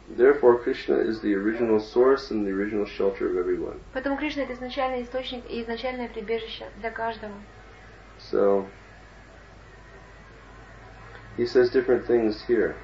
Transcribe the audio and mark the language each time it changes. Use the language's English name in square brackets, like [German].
[English] Therefore, Krishna is the original source and the original shelter of everyone. [Russian] Поэтому Кришна — это изначальный источник и изначальное прибежище для каждого. [English] So, he says different things here.